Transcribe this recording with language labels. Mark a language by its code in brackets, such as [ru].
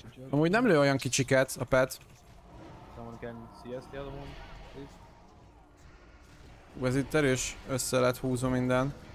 [hu] Amúgy nem lő olyan kicsiket a pet. [en] Someone can CS the other one, please. [hu] Ez itt erős, össze lehet húzva minden.